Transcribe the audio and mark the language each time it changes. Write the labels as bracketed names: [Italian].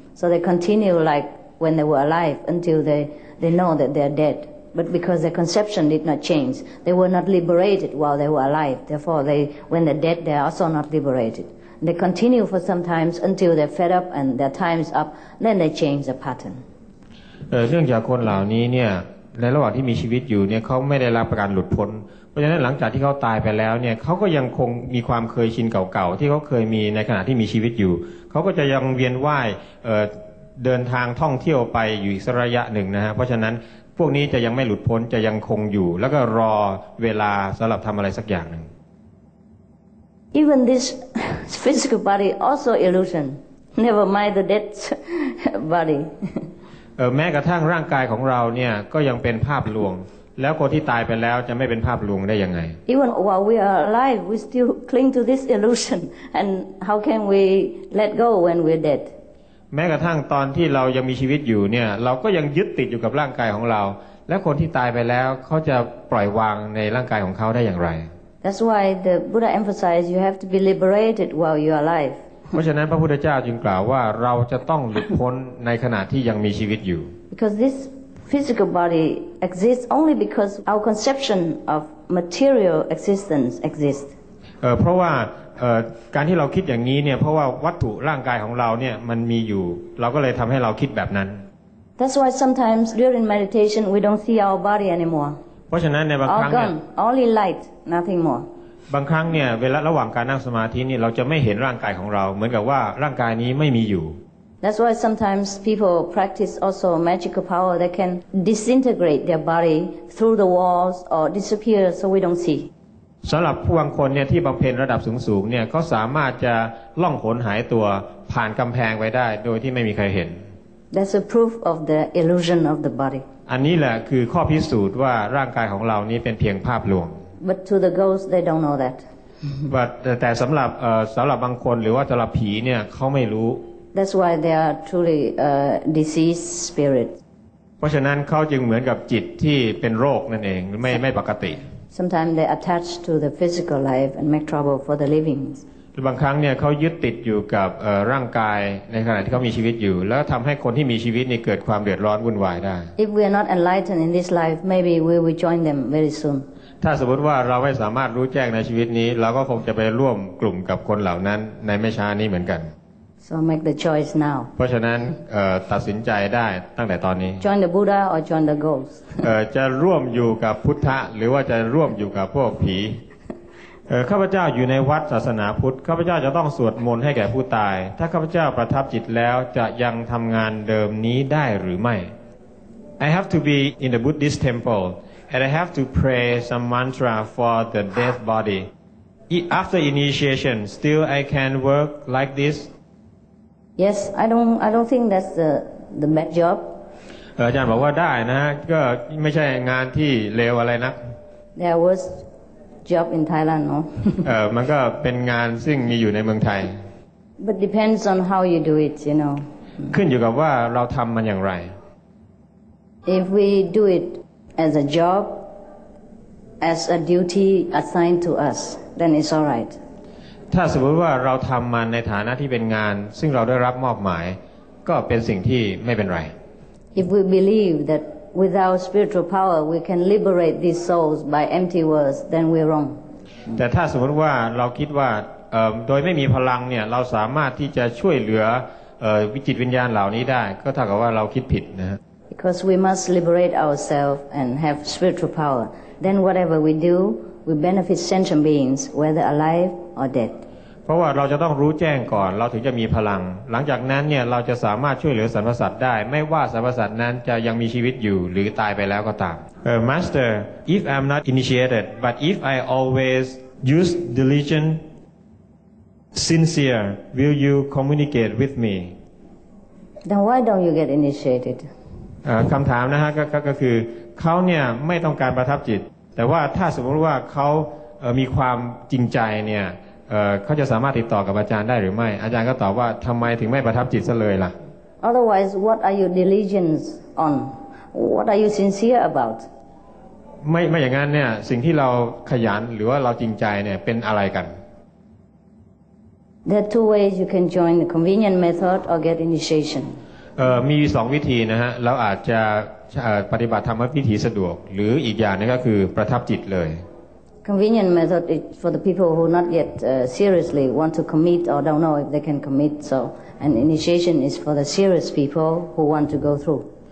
[English] So they continue like when they were alive until they know that they're dead. But because their conception did not change, they were not liberated while they were alive. Therefore, when they're dead, they're also not liberated. They continue for some time until they're fed up and their time's up. Then they change the pattern. [Thai] เรื่องจากคนเหล่านี้เนี่ยในระหว่างที่มีชีวิตอยู่เนี่ยเขาไม่ได้รับการหลุดพ้นเพราะฉะนั้นหลังจากที่เขาตายไปแล้วเนี่ยเขาก็ยังคงมีความเคยชินเก่าๆที่เขาเคยมีในขณะที่มีชีวิตอยู่เขาก็จะยังเวียนว่ายเดินทางท่องเที่ยวไปอยู่อีกระยะหนึ่งนะฮะเพราะฉะนั้นพวกนี้จะยังไม่หลุดพ้นจะยังคงอยู่แล้วก็รอเวลาสำหรับทำอะไรสักอย่างหนึ่ง [English] Even this physical body also illusion. Never mind the dead body. [Thai] แม้กระทั่งร่างกายของเราเนี่ยก็ยังเป็นภาพลวงแล้วคนที่ตายไปแล้วจะไม่เป็นภาพลวงได้ยังไง [English] Even while we are alive we still cling to this illusion and how can we let go when we're dead [Thai] แม้กระทั่งตอนที่เรายังมีชีวิตอยู่เนี่ยเราก็ยังยึดติดอยู่กับร่างกายของเราและคนที่ตายไปแล้วเขาจะปล่อยวางในร่างกายของเขาได้อย่างไร [English] That's why the Buddha emphasized you have to be liberated while you are alive [Thai] เพราะฉะนั้นพระพุทธเจ้าจึงกล่าวว่าเราจะต้องหลุดพ้นในขณะที่ยังมีชีวิตอยู่ [English] Because thisphysical body exists only because our conception of material existence exists [Thai] เพราะว่าการที่เราคิดอย่างนี้เนี่ยเพราะว่าวัตถุร่างกายของเราเนี่ยมันมีอยู่เราก็เลยทําให้เราคิดแบบนั้น [English] That's why sometimes during meditation we don't see our body anymore [Thai] เพราะฉะนั้นในบางครั้งเนี่ย [English] only light nothing more [Thai] บางครั้งเนี่ยเวลาระหว่างการนั่งสมาธินี่เราจะไม่เห็นร่างกายของเราเหมือนกับว่าร่างกายนี้ไม่มีอยู่ [English] That's why sometimes people practice also magical power that can disintegrate their body through the walls or disappear so we don't see. [Thai] สำหรับผู้บางคนเนี่ยที่บำเพ็ญระดับสูงๆเนี่ยเขาสามารถจะล่องหนหายตัวผ่านกำแพงไปได้โดยที่ไม่มีใครเห็น [English] That's a proof of the illusion of the body. [Thai] อันนี้แหละคือข้อพิสูจน์ว่าร่างกายของเรานี้เป็นเพียงภาพลวง [English] But to the ghosts they don't know that. [Thai] But แต่สำหรับบางคนหรือว่าสำหรับผีเนี่ยเขาไม่รู้ [English] That's why they are truly diseased spirits. [Thai] เพราะฉะนั้นเขาจึงเหมือนกับจิตที่เป็นโรคนั่นเองไม่ปกติ [English] Sometimes they attach to the physical life and make trouble for the living. [Thai] บางครั้งเนี่ยเขายึดติดอยู่กับร่างกายในขณะที่เขามีชีวิตอยู่แล้วทำให้คนที่มีชีวิตนี่เกิดความเดือดร้อนวุ่นวายได้ [English] If we are not enlightened in this life, maybe we will join them very soon. [Thai] ถ้าสมมติว่าเราไม่สามารถรู้แจ้งในชีวิตนี้เราก็คงจะไปร่วมกลุ่มกับคนเหล่านั้นในไม่ช้านี้เหมือนกัน [English] So make the choice now. [Thai] เพราะฉะนั้นตัดสินใจได้ตั้งแต่ตอนนี้ [English] Join the Buddha or join the ghost. [Thai] จะร่วมอยู่กับพุทธะหรือว่าจะร่วมอยู่กับพวกผีข้าพเจ้าอยู่ในวัดศาสนาพุทธข้าพเจ้าจะต้องสวดมนต์ให้แก่ผู้ตายถ้าข้าพเจ้าประทับจิตแล้วจะยังทำงานเดิมนี้ได้หรือไม่ [English] I have to be in the Buddhist temple and I have to pray some mantra for the dead body. After initiation, still I can work like this. Yes, I don't think that's the bad job. [Thai] อาจารย์บอกว่าได้นะก็ไม่ใช่งานที่เลวอะไรนัก [English] There was job in Thailand, no? [Thai] มันก็เป็นงานซึ่งมีอยู่ในเมืองไทย [English] But depends on how you do it, you know. [Thai] ขึ้นอยู่กับว่าเราทำมันอย่างไร [English] If we do it as a job, as a duty assigned to us, then it's all right. [Thai] ถ้าสมมติว่าเราทำมันในฐานะที่เป็นงานซึ่งเราได้รับมอบหมายก็เป็นสิ่งที่ไม่เป็นไร [English] If we believe that without spiritual power we can liberate these souls by empty words then we're wrong [Thai] แต่ถ้าสมมติว่าเราคิดว่าโดยไม่มีพลังเนี่ยเราสามารถที่จะช่วยเหลือวิจิตวิญญาณเหล่านี้ได้ก็เท่ากับว่าเราคิดผิดนะ [English] Because we must liberate ourselves and have spiritual power then whatever we do we benefit sentient beings whether aliveOr dead. [Thai] เพราะว่าเราจะต้องรู้แจ้งก่อนเราถึงจะมีพลังหลังจากนั้นเนี่ยเราจะสามารถช่วยเหลือสรรพสัตว์ได้ไม่ว่าสรรพสัตว์นั้นจะยังมีชีวิตอยู่หรือตายไปแล้วก็ตาม [English] Master, if I'm not initiated, but if I always use diligent, sincere, will you communicate with me? Then why don't you get initiated? [Thai] คำถามนะฮะก็คือเขาเนี่ยไม่ต้องการประทับจิตแต่ว่าถ้าสมมติว่าเขามีความจริงใจเนี่ยเขาจะสามารถติดต่อกับอาจารย์ได้หรือไม่อาจารย์ก็ตอบว่าทำไมถึงไม่ประทับจิตซะเลยล่ะ [English] Otherwise what are you diligent on what are you sincere about [Thai] ไม่อย่างนั้นเนี่ยสิ่งที่เราขยันหรือว่าเราจริงใจเนี่ยเป็นอะไรกัน [English] There are two ways you can join the convenient method or get initiation [Thai] มีสองวิธีนะฮะเราอาจจะปฏิบัติธรรมวิธีสะดวกหรืออีกอย่างนึงก็คือประทับจิตเลย [English] convenient method is for the people who not yet seriously want to commit or don't know if they can commit so an initiation is for the serious people who want to go through